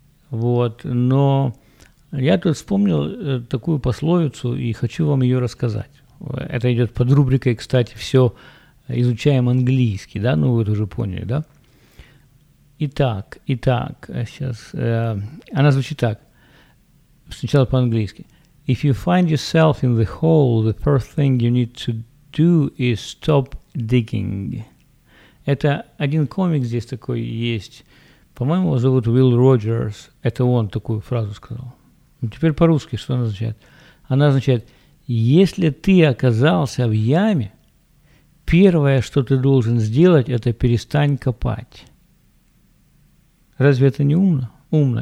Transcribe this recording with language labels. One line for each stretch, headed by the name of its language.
Russian: Вот, но я тут вспомнил такую пословицу и хочу вам ее рассказать. Это идет под рубрикой, кстати, все изучаем английский, да, ну вы это уже поняли, да? Итак, сейчас, она звучит так, сначала по-английски.
English: If you find yourself in the hole, the first thing you need to do is stop digging.
Russian: Это один комик здесь такой есть, по-моему, его зовут Уилл Роджерс, это он такую фразу сказал. Ну, теперь по-русски, что она означает? Она означает... Если ты оказался в яме, первое, что ты должен сделать, это перестань копать. Разве это не умно? Умно.